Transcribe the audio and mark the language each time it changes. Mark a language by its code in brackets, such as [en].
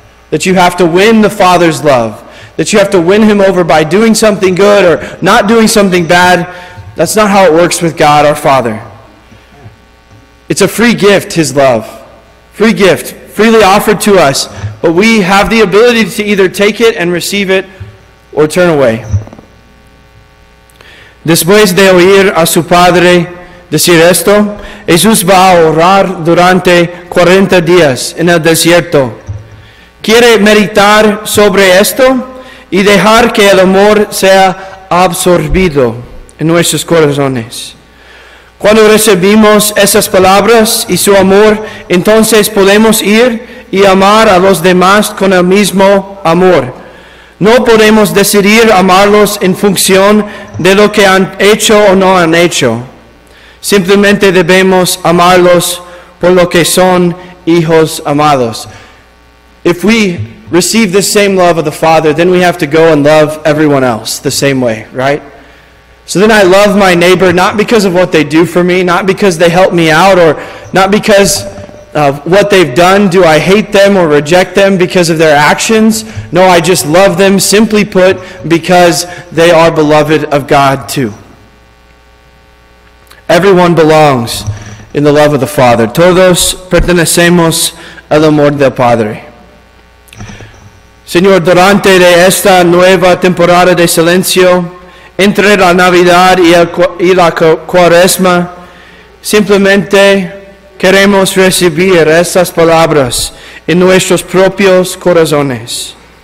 [en] That you have to win the Father's love? That you have to win Him over by doing something good or not doing something bad? That's not how it works with God, our Father. It's a free gift, His love. Free gift, freely offered to us. But we have the ability to either take it and receive it or turn away. [es] Después de oír a su padre decir esto, Jesús va a orar durante 40 días en el desierto. Quiere meditar sobre esto y dejar que el amor sea absorbido en nuestros corazones. Cuando recibimos esas palabras y su amor, entonces podemos ir y amar a los demás con el mismo amor. No podemos decidir amarlos en función de lo que han hecho o no han hecho. Simplemente debemos amarlos por lo que son hijos amados. [en] If we receive the same love of the Father, then we have to go and love everyone else the same way, right? So then I love my neighbor not because of what they do for me, not because they help me out, or not because of what they've done. Do I hate them or reject them because of their actions? No, I just love them, simply put, because they are beloved of God too. Everyone belongs in the love of the Father. [es] Todos pertenecemos al amor del Padre. Señor, durante de esta nueva temporada de silencio, entre la Navidad y la Cuaresma, simplemente queremos recibir esas palabras en nuestros propios corazones.